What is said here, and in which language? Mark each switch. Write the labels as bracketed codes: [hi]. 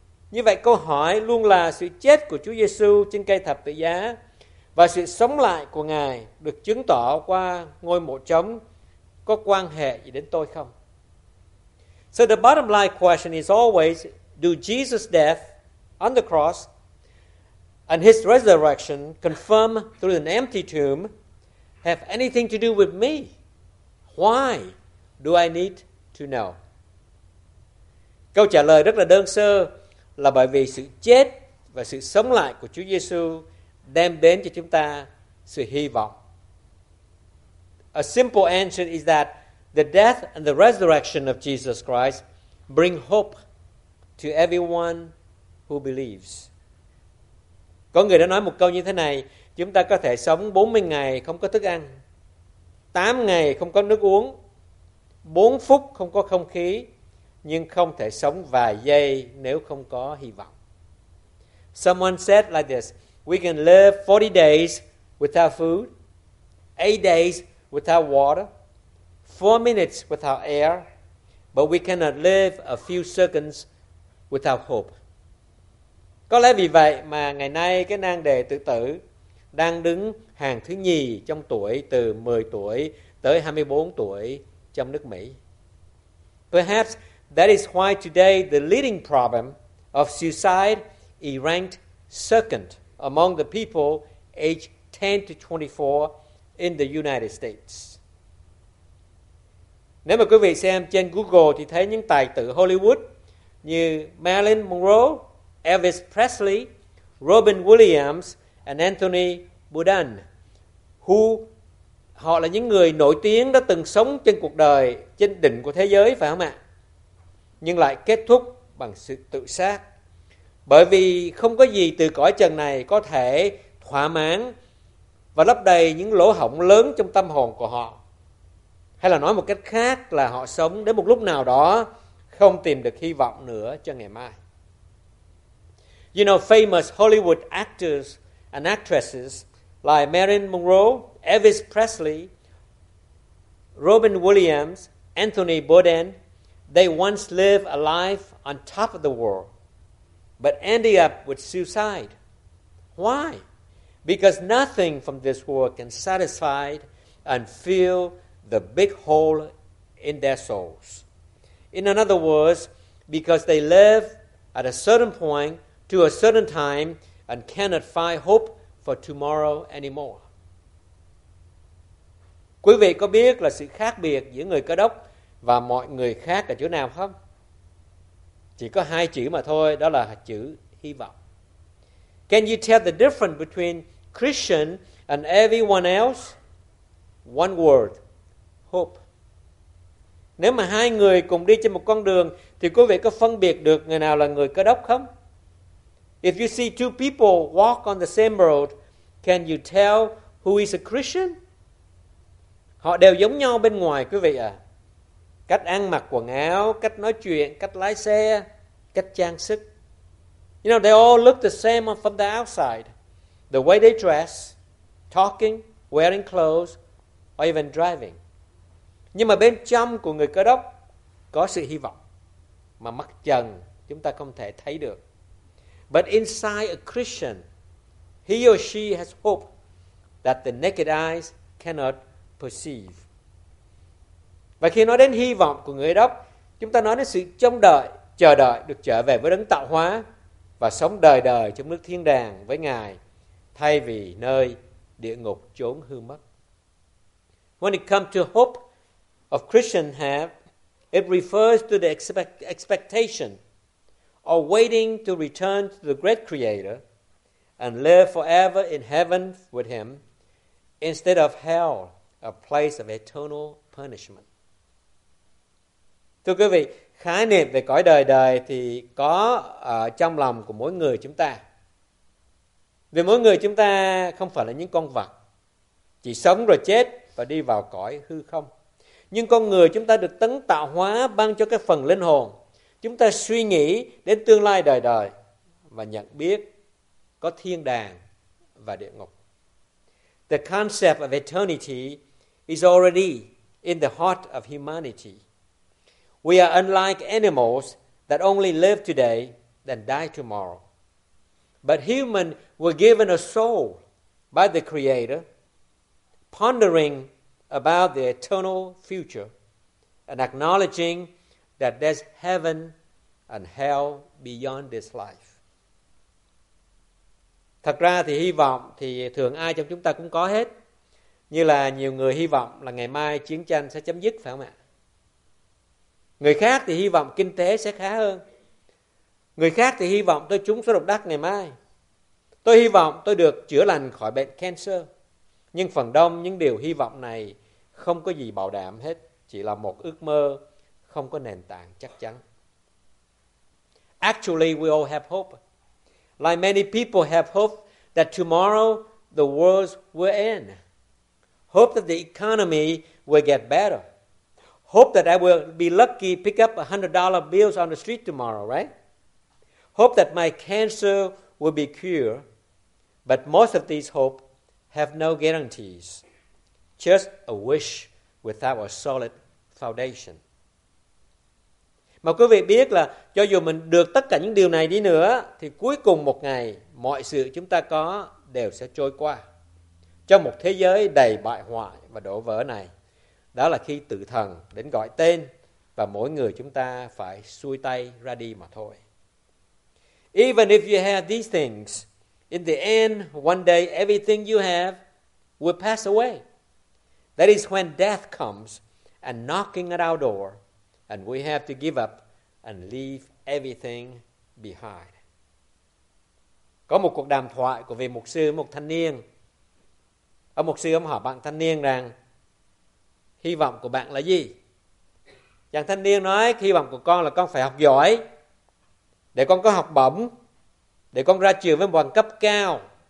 [vi] Như vậy câu hỏi luôn là sự chết của Chúa Giêsu trên cây thập tự giá và sự sống lại của Ngài được chứng tỏ qua ngôi mộ trống có quan hệ gì đến tôi không? [en] So the bottom line question is always, do Jesus' death on the cross and his resurrection confirmed through an empty tomb have anything to do with me? Why do I need to know? [vi] Câu trả lời rất là đơn sơ là bởi vì sự chết và sự sống lại của Chúa Giêsu đem đến cho chúng ta sự hy vọng. [en] A simple answer is that the death and the resurrection of Jesus Christ bring hope to everyone who believes. [vi] Có người đã nói một câu như thế này, chúng ta có thể sống 40 ngày không có thức ăn, 8 ngày không có nước uống, 4 phút không có không khí, nhưng không thể sống vài giây nếu không có hy vọng. [en] Someone said like this, we can live 40 days without food, 8 days without water, 4 minutes without air, but we cannot live a few seconds without hope. [vi] Có lẽ vì vậy mà ngày nay cái nan đề tự tử đang đứng hàng thứ nhì trong tuổi từ 10 tuổi tới 24 tuổi trong nước Mỹ. [en] Perhaps that is why today the leading problem of suicide is ranked second among the people aged 10 to 24 in the United States. [vi] Nếu mà quý vị xem trên Google thì thấy những tài tử Hollywood như Marilyn Monroe, Elvis Presley, Robin Williams [en] and [vi] Anthony Bourdain, [en] who [vi] họ là những người nổi tiếng đã từng sống trên cuộc đời trên đỉnh của thế giới phải không ạ? Nhưng lại kết thúc bằng sự tự sát. Bởi vì không có gì từ cõi trần này có thể thỏa mãn và lấp đầy những lỗ hổng lớn trong tâm hồn của họ. Hay là nói một cách khác là họ sống đến một lúc nào đó không tìm được hy vọng nữa cho ngày mai. [en] You know, famous Hollywood actors and actresses like Marilyn Monroe, Elvis Presley, Robin Williams, Anthony Bourdain, they once lived a life on top of the world, but ended up with suicide. Why? Because nothing from this world can satisfy and fill the big hole in their souls. In other words, because they live at a certain point to a certain time and cannot find hope for tomorrow anymore. [vi] Quý vị có biết là sự khác biệt giữa người Cơ Đốc và mọi người khác ở chỗ nào không? Chỉ có hai chữ mà thôi, đó là chữ hy vọng. [en] Can you tell the difference between Christian and everyone else? One word, hope. [vi] Nếu mà hai người cùng đi trên một con đường, thì quý vị có phân biệt được người nào là người Cơ Đốc không? [en] If you see two people walk on the same road, can you tell who is a Christian? [vi] Họ đều giống nhau bên ngoài quý vị ạ. Cách ăn mặc quần áo, cách nói chuyện, cách lái xe, cách trang sức. [en] You know, they all look the same from the outside. The way they dress, talking, wearing clothes, or even driving. [vi] Nhưng mà bên trong của người Cơ Đốc có sự hy vọng mà mắt trần chúng ta không thể thấy được. [en] But inside a Christian, he or she has hope that the naked eyes cannot perceive. [vi] Và khi nói đến hy vọng của người Đốc, chúng ta nói đến sự trông đợi, chờ đợi được trở về với đấng tạo hóa và sống đời đời trong nước thiên đàng với Ngài thay vì nơi địa ngục chốn hư mất. [en] When it comes to hope of Christian have, it refers to the expectation or waiting to return to the great creator and live forever in heaven with him instead of hell, a place of eternal punishment. [vi] Thưa quý vị, khái niệm về cõi đời đời thì có ở trong lòng của mỗi người chúng ta. Vì mỗi người chúng ta không phải là những con vật, chỉ sống rồi chết và đi vào cõi hư không. Nhưng con người chúng ta được tấn tạo hóa ban cho cái phần linh hồn. Chúng ta suy nghĩ đến tương lai đời đời và nhận biết có thiên đàng và địa ngục. [en] The concept of eternity is already in the heart of humanity. We are unlike animals that only live today then die tomorrow. But humans were given a soul by the Creator, pondering about the eternal future and acknowledging that there's heaven and hell beyond this life. [vi] Thật ra thì hy vọng thì thường ai trong chúng ta cũng có hết. Như là nhiều người hy vọng là ngày mai chiến tranh sẽ chấm dứt, phải không ạ? Người khác thì hy vọng kinh tế sẽ khá hơn. Người khác thì hy vọng tôi trúng số độc đắc ngày mai. Tôi hy vọng tôi được chữa lành khỏi bệnh cancer. Nhưng phần đông những điều hy vọng này không có gì bảo đảm hết. Chỉ là một ước mơ không có nền tảng chắc chắn. [en] Actually, we all have hope. Like many people have hope that tomorrow the world will end. Hope that the economy will get better. Hope that I will be lucky, pick up $100 bills on the street tomorrow, right? Hope that my cancer will be cured. But most of these hopes have no guarantees. Just a wish without a solid foundation. [vi] Mà quý vị biết là cho dù mình được tất cả những điều này đi nữa, thì cuối cùng một ngày, mọi sự chúng ta có đều sẽ trôi qua. Trong một thế giới đầy bại hoại và đổ vỡ này, đó là khi tử thần đến gọi tên và mỗi người chúng ta phải xuôi tay ra đi mà thôi. [en] Even if you have these things, in the end, one day everything you have will pass away. That is when death comes and knocking at our door and we have to give up and leave everything behind. [vi] Có một cuộc đàm thoại của vị mục sư với một thanh niên. Ông mục sư ông hỏi bạn thanh niên rằng hy vọng của bạn là gì? Chàng thanh niên nói, hy vọng của con là con phải học giỏi, để con có học bổng, để con ra trường với bằng cấp cao.